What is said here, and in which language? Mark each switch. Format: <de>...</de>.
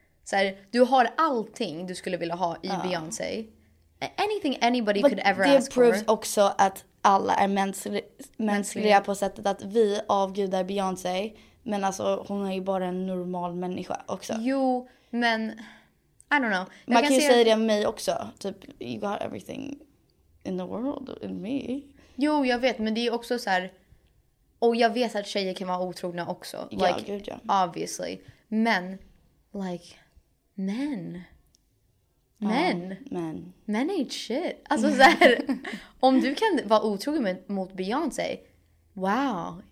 <sv>Såhär, du har allting du skulle vilja ha i Beyoncé.</sv> <en>Anything anybody could ever ask for.</en> <sv>Det proves också att alla är mänskliga på sättet att vi avgudar Beyoncé. Men alltså, hon är ju bara en normal människa också. Jo, men</sv> <en>I don't know.</en> <sv>Man kan ju säga det om mig också. Typ,</sv> <en>you got everything in the world in me.</en> <sv>Jo, jag vet. Men det är också så här. Och jag vet att tjejer kan vara otrogna också. Like, ja, gud ja. Obviously. Men, like, men. Men. Men.</sv> <en>Men ain't shit.</en> <sv>Alltså så här. Om du kan vara otrogen mot Beyoncé. Wow.</sv>